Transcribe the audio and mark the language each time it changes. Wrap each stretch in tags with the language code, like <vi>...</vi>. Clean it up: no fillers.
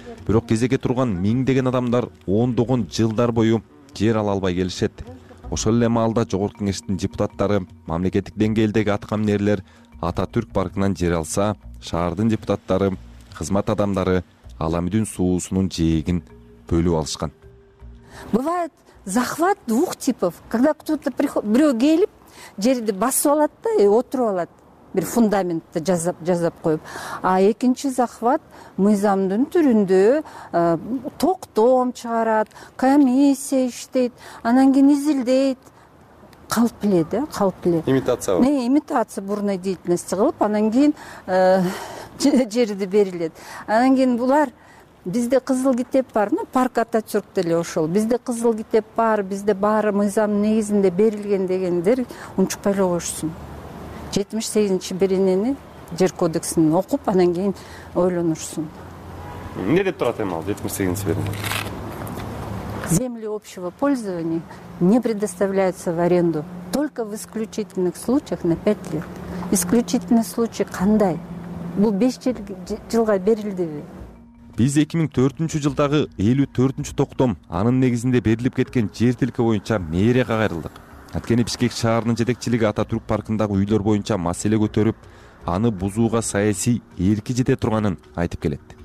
<ky>Бирок кезеге турган миңдеген адамдар ондогон жылдар бою жер ала албай келишет. Ошол эле маалда Жогорку Кеңештин депутаттары мамлекеттик деңгээлдеги аткаминерлер Ататүрк паркынан жер алса, шаардын депутаттары, кызмат адамдары Аламүдүн суусунун жээгин бөлүп алышкан.</ky> <ru>Бывает захват двух типов. Когда кто-то приходит,</ru> <ky>бирөө келип жерди басып алат да, отуруп алат, бир фундаментти жасап коюп. А экинчи захват мыйзамдын түрүндө токтом чыгарат, комиссия иштейт, анан кийин изилдейт, калп эле да, калп эле.</ky> <ru>Имитация</ru> <ky>бар.</ky> <ru>Имитация бурной деятельности</ru> <ky>кылып, анан кийин жерди берилет. Анан кийин булар бизде кызыл китеп бар, парк Ататүрк деле ошол. Бизде кызыл китеп бар, бизде баары мыйзамдын негизинде берилген дегендер унчукпай эле коюшсун. 78-чи беренени жер кодексин окуп, анан кийин ойлонушсун. Эмне деп турат эми ал 78-чи берене?</ky> <ru>Земли общего пользования не предоставляются в аренду. Только в исключительных случаях на 5 лет. Исключительный случай кандай.</ru> <ky>Бул 5 жылга берилдиби. Биз 2004 жылдагы 54-нчү токтом анын негизинде берилип кеткен жер тилки боюнча мээре кагарылдык. Анткени Бишкек шаарынын жетекчилиги Ататүрк паркындагы үйлөр боюнча маселе көтөрүп, аны бузууга саясий эрки жете турганын айтып келет.</ky>